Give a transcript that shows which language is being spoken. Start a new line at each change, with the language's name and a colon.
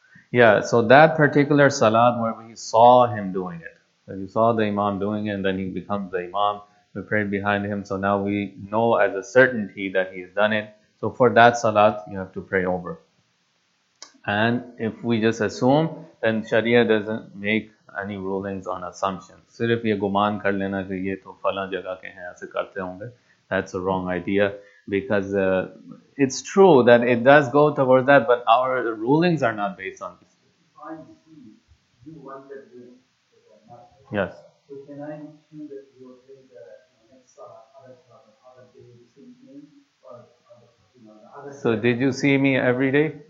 English: Yeah, so that particular salat where we saw him doing it, that you saw the imam doing it, and then he becomes the imam, we prayed behind him, so now we know as a certainty that he has done it. So for that salat, you have to pray over. And if we just assume, then Sharia doesn't make any rulings on assumptions.
Urdu: صرف یے گمان کر لینا کے یے تو فلاں جگہ کے ہیں، ایسے کرتے ہونگے۔
English: That's a wrong idea. Because it's true that it does go towards that, but our rulings are not based on this. If I see you wanted to do it, but I'm not sure. Yes. So can I assume that you will take the next other day, the same thing? Or, the other day? So did you see me every day?